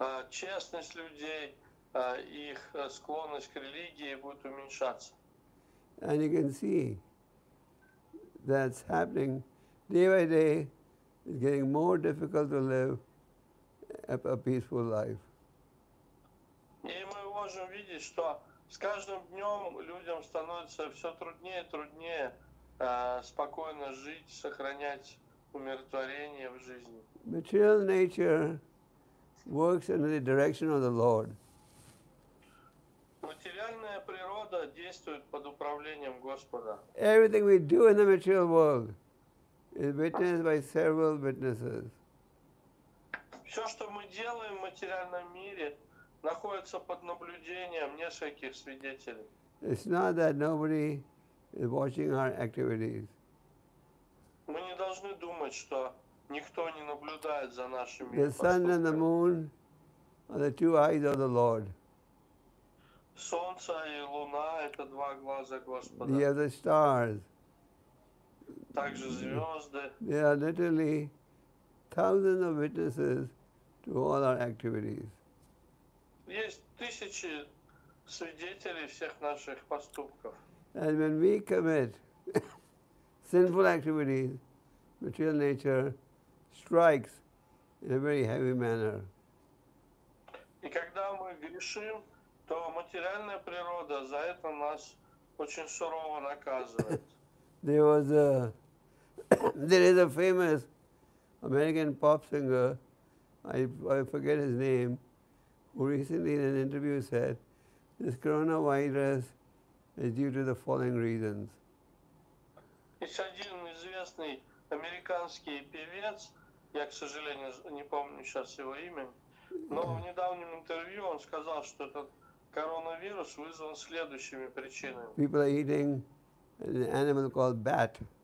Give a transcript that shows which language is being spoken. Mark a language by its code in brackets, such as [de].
[ru] Честность людей, их склонность к религии будет уменьшаться. [en] And you can see that's happening day by day. It's getting more difficult to live a peaceful life. [ru] И мы можем видеть, что с каждым днем людям становится все труднее и труднее спокойно жить, сохранять умиротворение в жизни. [en] Material nature works in the direction of the Lord. [ru] Материальная природа действует под управлением Господа. [en] Everything we do in the material world is witnessed by several witnesses. [ru] Все, что мы делаем в материальном мире, находится под наблюдением нескольких свидетелей. [en] It's not that nobody is watching our activities. [ru] Мы не должны думать, что никто не наблюдает за нашими поступками. [en] The sun and the moon are the two eyes of the Lord. [ru] Солнце и луна – это два глаза Господа. [en] They are the stars. [ru] Также звезды. [en] There are literally thousands of witnesses to all our activities. [ru] Есть тысячи свидетелей всех наших поступков. [en] And when we commit sinful activities, material nature strikes in a very heavy manner. [ru] И когда мы грешим, то материальная природа за это нас очень сурово наказывает. [en] There was a there is a famous American pop singer, I forget his name, who recently in an interview said, this coronavirus is due to the following reasons. [ru] Есть один известный американский певец, я, к сожалению, не помню сейчас его имя, но в недавнем интервью он сказал, что этот коронавирус вызван следующими причинами. [en] People are eating an animal called bat.